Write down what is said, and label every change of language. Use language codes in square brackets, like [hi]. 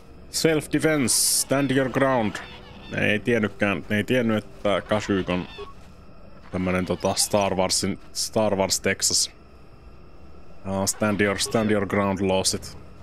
[en] Self defense, stand your ground. [fi] Ne ei tiennyt, että Kashyyk on tämmönen Star Wars Texas. [en] Stand your ground laws it.